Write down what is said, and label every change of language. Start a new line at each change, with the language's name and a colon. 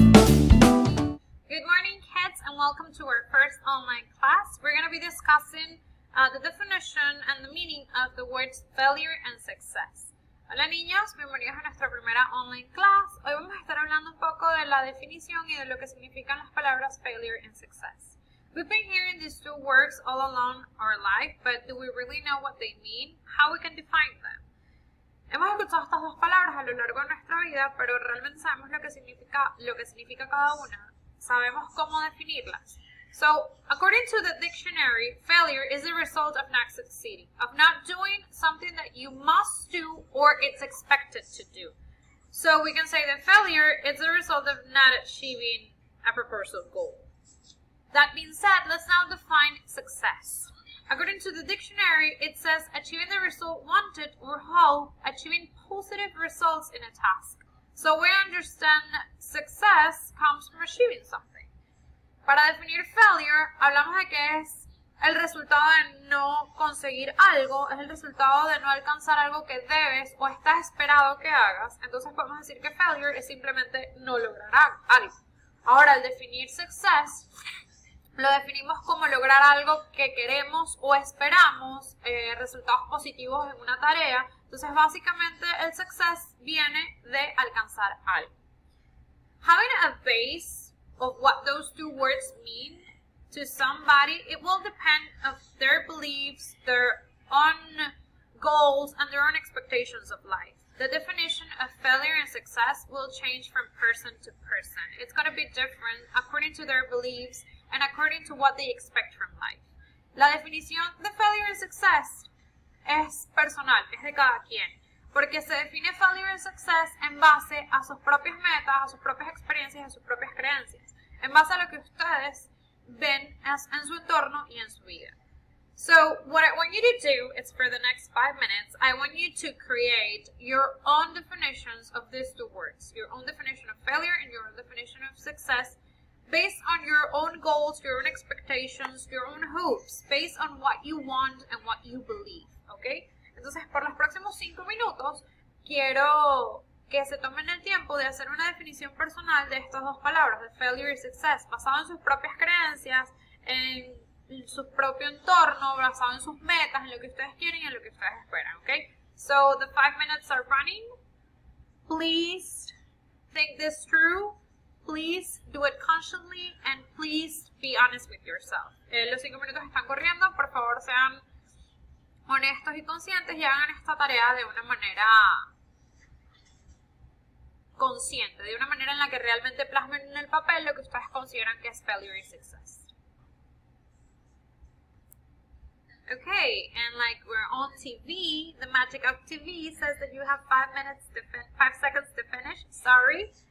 English: Good morning, kids, and welcome to our first online class. We're going to be discussing the definition and the meaning of the words failure and success.
Spanish: Hola, niños, bienvenidos a nuestra primera
English: online class.
Spanish: Hoy vamos a estar hablando un poco de la definición y de lo que significan las palabras failure and success.
English: We've been hearing these two words all along our life, but do we really know what they mean? How we can define them?
Spanish: Hemos escuchado estas dos palabras a lo largo de nuestra vida, pero realmente sabemos lo que significa cada una. Sabemos cómo definirlas.
English: So, according to the dictionary, failure is the result of not succeeding, of not doing something that you must do or it's expected to do. So, we can say that failure is the result of not achieving a proposed goal. That being said, let's now define success. According to the dictionary, it says achieving the result wanted or hope, achieving positive results in a task. So we understand success comes from achieving something.
Spanish: Para definir failure, hablamos de que es el resultado de no conseguir algo, es el resultado de no alcanzar algo que debes o estás esperado que hagas. Entonces podemos decir que failure es simplemente no lograr algo. Ahora, al definir success, lo definimos como lograr algo que queremos o esperamos, resultados positivos en una tarea. Entonces, básicamente, el success viene de alcanzar algo.
English: Having a base of what those two words mean to somebody, it will depend on their beliefs, their own goals, and their own expectations of life. The definition of failure and success will change from person to person. It's going to be different according to their beliefs and according to what they expect from life.
Spanish: La definición de failure and success es personal, es de cada quien, porque se define failure and success en base a sus propias metas, a sus propias experiencias, a sus propias creencias, en base a lo que ustedes ven en su entorno y en su vida.
English: So, what I want you to do is for the next 5 minutes, I want you to create your own definitions of these two words, your own definition of failure and your own definition of success, based on your own goals, your own expectations, your own hopes, based on what you want and what you believe, okay?
Spanish: Entonces, por los próximos 5 minutos, quiero que se tomen el tiempo de hacer una definición personal de estas dos palabras, de failure y success, basado en sus propias creencias, en su propio entorno, basado en sus metas, en lo que ustedes quieren y en lo que ustedes esperan, okay?
English: So, the 5 minutes are running. Please think this through. Please do it consciously and please be honest with yourself.
Spanish: Los 5 minutos están corriendo. Por favor, sean honestos y conscientes y hagan esta tarea de una manera consciente, de una manera en la que realmente plasmen en el papel lo que ustedes consideran que es failure y success.
English: Okay, and like we're on TV, the magic of TV says that you have 5 seconds to finish. Sorry.